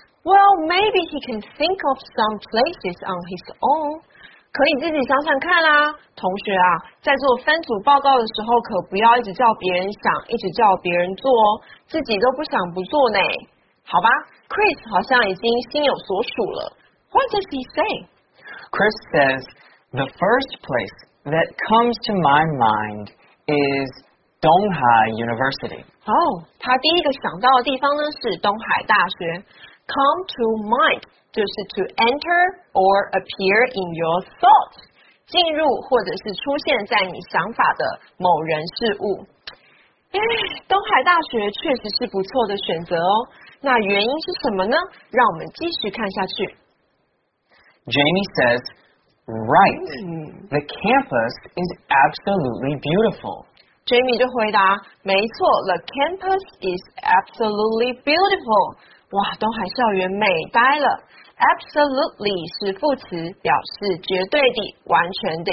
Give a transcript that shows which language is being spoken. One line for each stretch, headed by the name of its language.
English: Well, maybe he can think of some places on his own.
Chinese: 可以自己想想看啦，同学啊，在做分组报告的时候，可不要一直叫别人想，一直叫别人做哦，自己都不想不做呢。好吧， Chris 好像已经心有所属了。
English: What does he say? Chris says, the first place that comes to my mind is Donghai University.
Chinese: Oh, 他第一个想到的地方呢是东海大学。
English: Come to mind
Chinese: 就是
English: to enter or appear in your thoughts.
Chinese: 进入或者是出现在你想法的某人事物。东海大学确实是不错的选择哦，那原因是什么呢？让我们继续看下去。
English: Jamie says, right, the campus is absolutely beautiful.
Chinese: Jamie 就回答，没错，
English: the campus is absolutely beautiful.
Chinese: 哇，东海校园美呆了。
English: Absolutely
Chinese: 是副词，表示绝对的、完全的。